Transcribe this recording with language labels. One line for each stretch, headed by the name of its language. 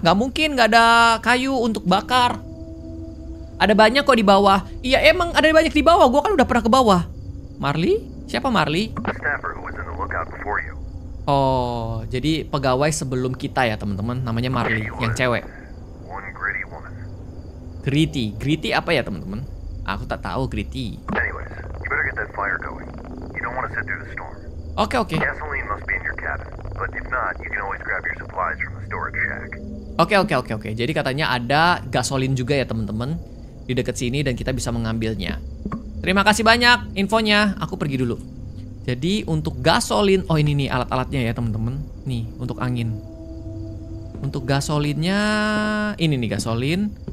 Indonesian: Gak mungkin, gak ada kayu untuk bakar. Ada banyak kok di bawah. Iya, emang ada banyak di bawah. Gua kan udah pernah ke bawah. Marley? Siapa Marley?
English: The staffer who was in the lookout before you.
Indonesian: Oh, jadi pegawai sebelum kita ya, teman-teman. Namanya Marley, yang cewek.
English: One gritty woman.
Indonesian: Gritty. Gritty apa ya, teman-teman? Aku tak tahu gritty.
English: Anyways, you better get that fire going. You don't want to sit through the storm. Okay. Gasoline must be in your cabin, but if not, you can always grab your supplies from the storage shack. Okay.
Indonesian: Jadi katanya ada gasolin juga ya teman-teman di dekat sini dan kita bisa mengambilnya. Terima kasih banyak infonya. Aku pergi dulu. Jadi untuk gasolin, oh ini nih alat-alatnya ya teman-teman. Nih untuk angin. Untuk gasolinnya ini nih gasolin.